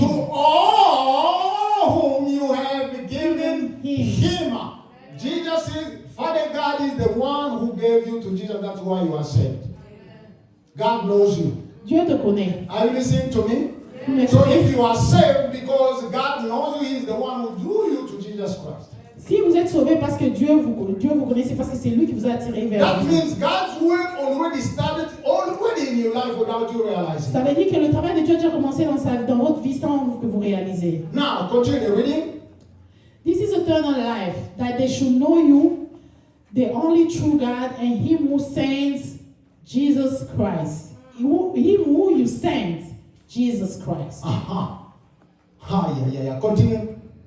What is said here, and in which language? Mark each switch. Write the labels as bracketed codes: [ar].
[en] To all whom you have given him. Jesus is, Father God is the one who gave you to Jesus. That's why you are saved. God knows you. [fr] Dieu te connaît. [en] Are you listening to me? Yes. So if you are saved because God knows you, He is the one who drew you to Jesus Christ. [fr] Si vous êtes sauvé parce que Dieu vous connaît, c'est parce que c'est lui qui vous a attiré vers lui. [en] That means God's work already started already in your life without you realizing. [fr] Ça veut dire que le travail de Dieu a déjà commencé dans votre vie sans que vous réalisez. [en] Now continue reading. This is eternal life, that they should know you, the only true God, and Him who sends Jesus Christ. Him who you sent, Jesus Christ. Uh-huh. Ah, yeah. Continue.